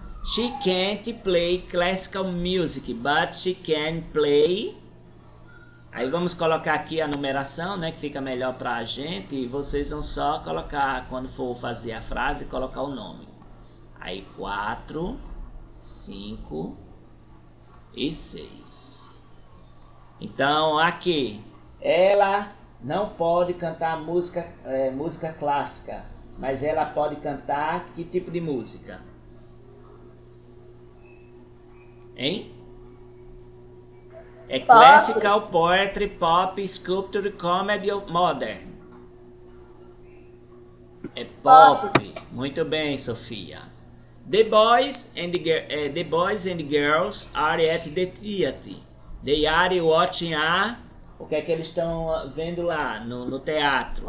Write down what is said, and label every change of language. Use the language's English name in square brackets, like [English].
[English] She can't play classical music, but she can play. [Portuguese] Aí vamos colocar aqui a numeração, né, que fica melhor pra gente, e vocês vão só colocar, quando for fazer a frase, colocar o nome. Aí 4, 5 e 6. Então, aqui, ela não pode cantar música, música clássica, mas ela pode cantar que tipo de música? Hein? É pop. Classical, poetry, pop, sculpture, comedy ou modern? É pop. Muito bem, Sofia. [English] The boys and girls are at the theater. They are watching a... [Portuguese] O que é que eles estão vendo lá no teatro?